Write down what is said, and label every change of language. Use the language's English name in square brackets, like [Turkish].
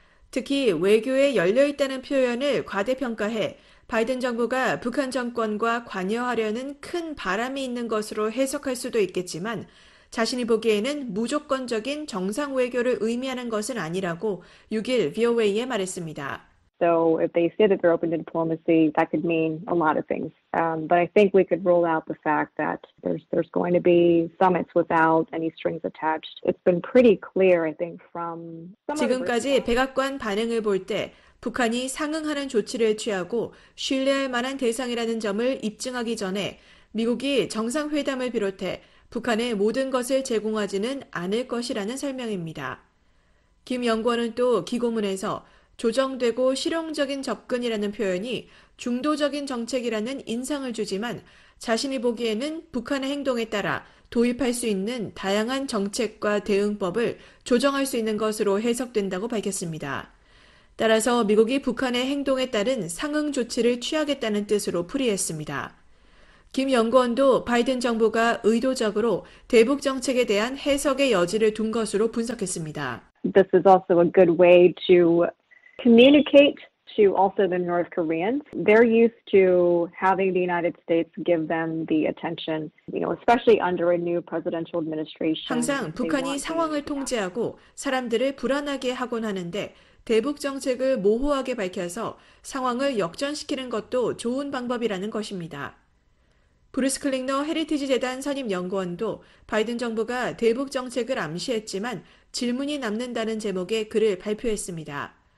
[Korean] 특히 외교에 열려 있다는 표현을 과대평가해 바이든 정부가 북한 정권과 관여하려는 큰 바람이 있는 것으로 해석할 수도 있겠지만 자신이 보기에는 무조건적인 정상 외교를 의미하는 것은 아니라고 6일 VOA에 말했습니다. [English] So if they say that they're open to diplomacy, that could mean a lot of things. But I think we could rule out the fact that there's going to be summits without any strings attached. It's been pretty clear, I think, from some of the briefings. [Korean] 지금까지 백악관 반응을 볼때 북한이 상응하는 조치를 취하고 신뢰할 만한 대상이라는 점을 입증하기 전에 미국이 정상회담을 비롯해 북한에 모든 것을 제공하지는 않을 것이라는 설명입니다. 김 연구원은 또 기고문에서 조정되고 실용적인 접근이라는 표현이 중도적인 정책이라는 인상을 주지만 자신이 보기에는 북한의 행동에 따라 도입할 수 있는 다양한 정책과 대응법을 조정할 수 있는 것으로 해석된다고 밝혔습니다. 따라서 미국이 북한의 행동에 따른 상응 조치를 취하겠다는 뜻으로 풀이했습니다. 김 연구원도 바이든 정부가 의도적으로 대북 정책에 대한 해석의 여지를 둔 것으로 분석했습니다. [English] This is also a good way to communicate to also the North Koreans. They're used to having the United States give them the attention, especially under a new presidential administration. [Korean] 항상 [English] They want the [Korean] 상황을 통제하고 사람들을 불안하게 하곤 하는데 대북 정책을 모호하게 밝혀서 상황을 역전시키는 것도 좋은 방법이라는 것입니다. 브루스 클링너 헤리티지 재단 선임 연구원도 바이든 정부가 대북 정책을 암시했지만 질문이 남는다는 제목의 글을 발표했습니다.